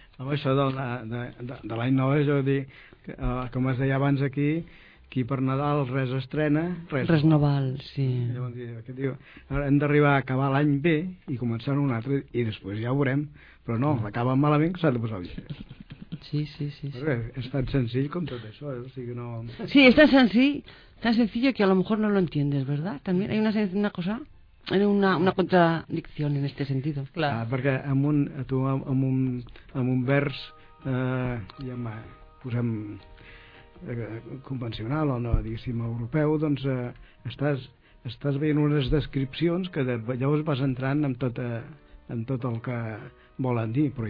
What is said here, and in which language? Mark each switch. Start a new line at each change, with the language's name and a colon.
Catalan: No, eso de l'any 9, jo dic, com es deia abans aquí... Aquí per Nadal res estrena, res no val, sí. Llavors, diu, ara hem d'arribar a acabar l'any bé i començar un altre, i després ja ho veurem. Però no, acaba malament que s'ha de posar el llibre. Sí, sí, sí. És tan senzill com tot això, o sigui, no... Sí, és tan senzill
Spanish: que a lo mejor no lo entiendes, ¿verdad? También hay una cosa, una contradicció en este sentido.
Catalan: Clar. Ah, perquè amb un vers, ja em posem... convencional o no, diguéssim, europeu, doncs estàs veient unes descripcions que llavors vas entrant en tot el que volen dir, però